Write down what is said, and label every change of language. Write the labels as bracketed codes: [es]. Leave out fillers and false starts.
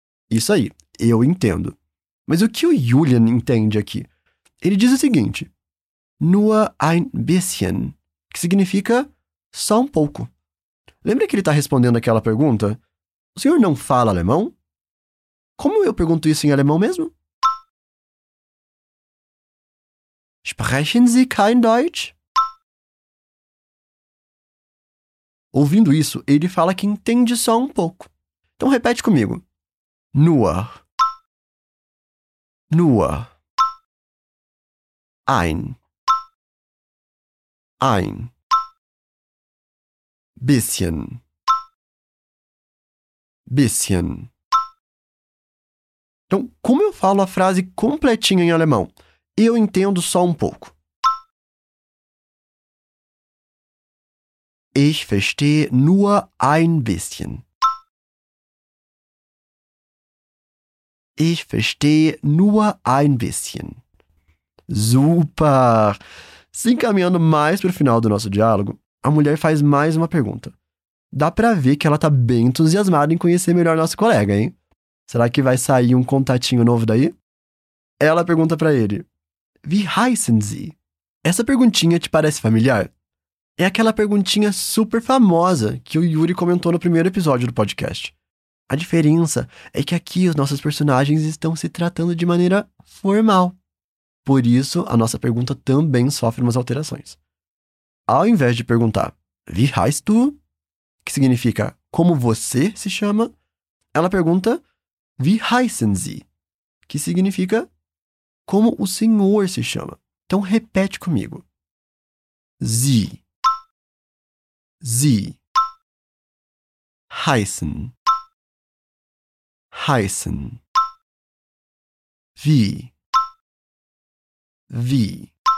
[pt] Isso aí, eu entendo. Mas o que o Julian entende aqui? Ele diz o seguinte. [de] Nur ein bisschen. [pt] Que significa só um pouco. Lembra que ele está respondendo aquela pergunta? O senhor não fala alemão? Como eu pergunto isso em alemão mesmo? [de] Sprechen Sie kein Deutsch? [pt] Ouvindo isso, ele fala que entende só um pouco. Então, repete comigo. Nur. Nur. Ein. [de] Ein. Bisschen. Bisschen. [pt] Então, como eu falo a frase completinha em alemão? Eu entendo só um pouco. [de] Ich verstehe nur ein bisschen. Ich verstehe nur ein bisschen. [pt] Super! Se encaminhando mais para o final do nosso diálogo, a mulher faz mais uma pergunta. Dá para ver que ela está bem entusiasmada em conhecer melhor nosso colega, hein? Será que vai sair um contatinho novo daí? Ela pergunta para ele: [de] Wie heißen Sie? [pt] Essa perguntinha te parece familiar? É aquela perguntinha super famosa que o Yuri comentou no primeiro episódio do podcast. A diferença é que aqui os nossos personagens estão se tratando de maneira formal. Por isso, a nossa pergunta também sofre umas alterações. Ao invés de perguntar, [de] Wie heißt du? [pt] Que significa, como você se chama? Ela pergunta, [de] Wie heißen Sie? [pt] Que significa, como o senhor se chama? Então, repete comigo. Sie. Sie. Heißen. Heißen. Wie. Vi.